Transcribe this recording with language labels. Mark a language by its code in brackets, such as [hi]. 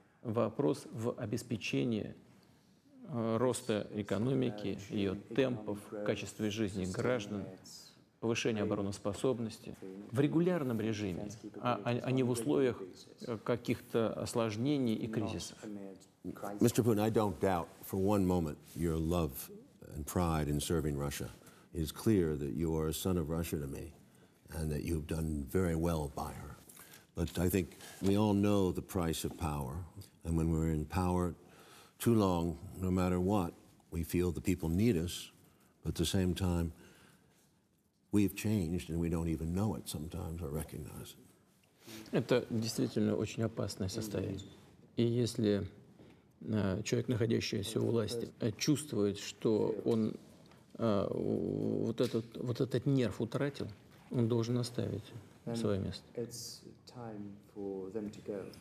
[ru] Вопрос в обеспечении роста экономики, ее темпов, качестве жизни граждан, повышения обороноспособности в регулярном режиме, а не в условиях каких-то осложнений и кризисов. [en] Mr. Putin, I don't doubt for one moment your love and pride in serving Russia. It is clear that you are a son of Russia to me, and that you've done very well by her. But I think we all know the price of power, and when we're in power too long, no matter what, we feel the people need us, but at the same time, we've changed, and we don't even know it sometimes or recognize it. [ru] Это действительно очень опасное состояние. И если человек, находящийся у власти, чувствует, что он вот этот нерв утратил, он должен оставить свое место. [en] It's time for them to go.